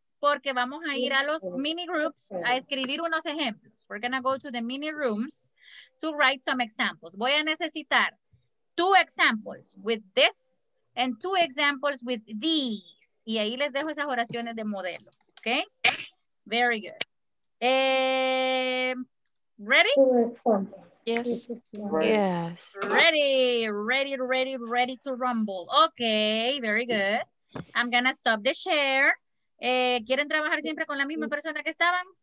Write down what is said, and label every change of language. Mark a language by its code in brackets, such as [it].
[es] Porque vamos a ir a los mini groups a escribir unos ejemplos. [en] We're going to go to the mini rooms to write some examples. [es] Voy a necesitar [en] two examples with this and two examples with these. [es] Y ahí les dejo esas oraciones de modelo. [en] Okay? Very good. Ready? Yes. Ready to rumble. Okay, very good. I'm going to stop the share. [es] ¿Quieren trabajar siempre con la misma persona que estaban?